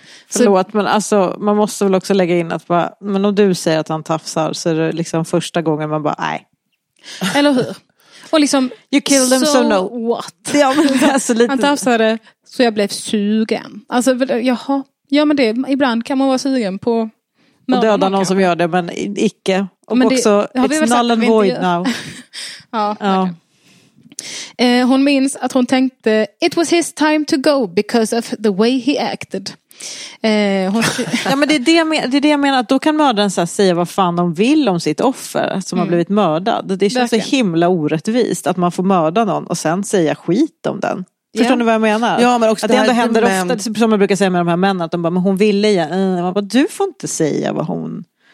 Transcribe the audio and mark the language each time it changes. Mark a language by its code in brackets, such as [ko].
[sv] Förlåt, men alltså, man måste väl också lägga in att bara, men om du säger att han tafsar så är det liksom första gången man bara, nej. Eller hur? Och liksom, [en] you kill them, so, so no. What? [sv] Ja, men alltså, lite. Han tafsade, så jag blev sugen. Alltså, jaha. Ja, men det, ibland kan man vara sugen på mördarna. Och döda någon som gör det, men icke. Och men också, det, [en] it's null and void now. [sv] Ja, ja. Hon minns att hon tänkte, [en] it was his time to go because of the way he acted. [sv] Ja, men det är det jag menar, att då kan mördaren så här säga vad fan de vill om sitt offer som har blivit mördad. Det känns verkligen så himla orättvist att man får mörda någon och sen säga skit om den. Förstår ni vad jag menar? Ja, men också att det ändå händer ofta, som jag brukar säga med de här männen, att de bara, men hon ville ju, du får inte säga vad hon